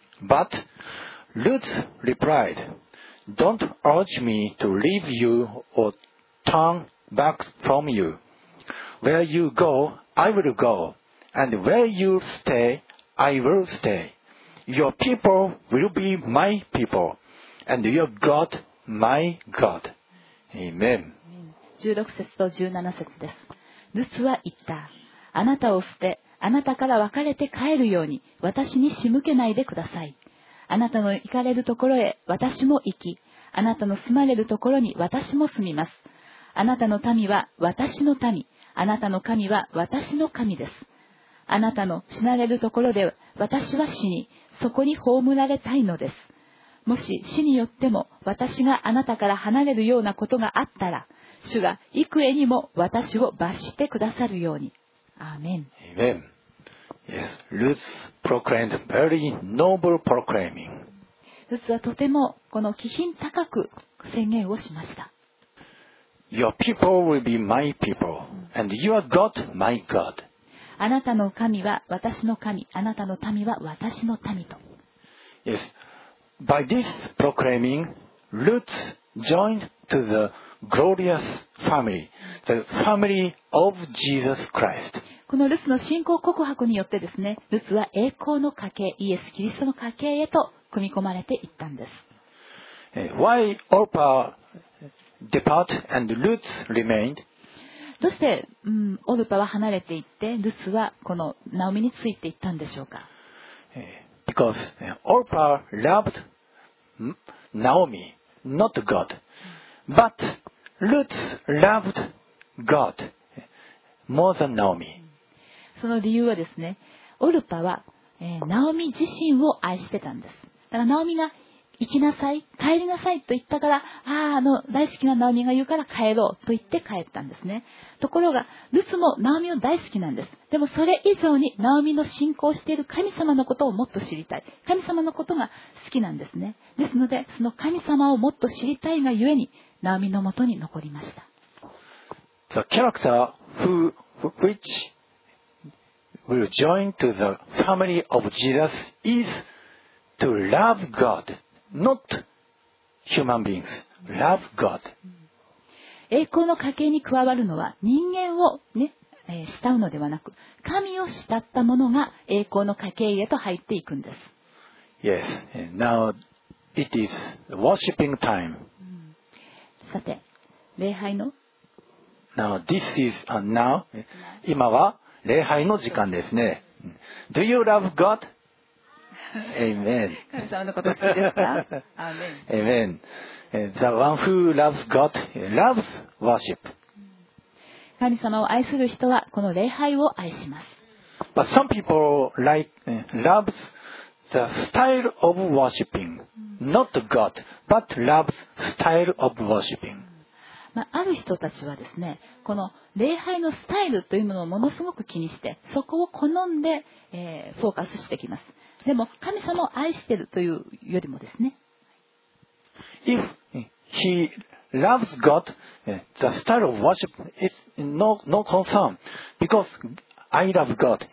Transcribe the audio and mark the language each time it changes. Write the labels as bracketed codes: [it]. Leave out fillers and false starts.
[en] But Ruth replied, "Don't urge me to leave you or turn back from you. Where you go, I will go, and where you stay, I will stay. Your people will be my people, and your God, my God." Amen. [ja] 16節と17節です。ルツは言った。あなたを捨て、あなたから別れて帰るように私に仕向けないでください。あなたの行かれるところへ私も行き、あなたの住まれるところに私も住みます。あなたの民は私の民、あなたの神は私の神です。あなたの死なれるところで私は死に、そこに葬られたいのです。もし死によっても私があなたから離れるようなことがあったら、主が幾重にも私を罰してくださるように。 [en] Amen. Amen. Yes, Ruth proclaimed very noble proclaiming. [ja] Ruth はとてもこの気品高く宣言をしました。 [en] Your people will be my people, and your God, my God. [ja] あなたの神は私の神、あなたの民は私の民と。 [en] Yes, by this proclaiming, Ruth joined to the glorious family, the family of Jesus Christ. [ja] このルツの信仰告白によってですね、ルツは栄光の家系、イエス・キリストの家系へと組み込まれていったんです。 [en] Why Orpah depart and Ruth remained? [ja] どうして、オルパは離れていって、ルツはこのナオミについていったんでしょうか。 [en] Because Orpah loved Naomi, not God. But Ruth loved God more than Naomi. [ja] その理由はですね、オルパは、ナオミ自身を愛してたんです。だからナオミが行きなさい、帰りなさいと言ったから、大好きなナオミが言うから帰ろうと言って帰ったんですね。ところがルツもナオミを大好きなんです。でもそれ以上にナオミの信仰している神様のことをもっと知りたい。神様のことが好きなんですね。ですのでその神様をもっと知りたいがゆえにナオミのもとに残りました。 [en] The character who which will join to the family of Jesus is to love God. Not human beings. Love God. [ja] 栄光の家系に加わるのは人間を、慕うのではなく、神を慕った者が栄光の家系へと入っていくんです。 [en] Yes. Now it is worshiping time. [ja] さて、礼拝の。 [en] Now this is now. [ja] 今は礼拝の時間ですね。 [en] Do you love God? Amen. [ja] 神様のこと好きですか。 [en] Amen. The one who loves God loves worship. [ja] 神様を愛する人はこの礼拝を愛します。 [en] But some people loves the style of worshiping, not God, but loves style of worshiping. [ja] まあ、ある人たちはですね、この礼拝のスタイルというものをものすごく気にして、そこを好んで、フォーカスしてきます。でも神様を愛しているというよりもですね、 [en] If he loves God, the style of worship is no concern because I love God.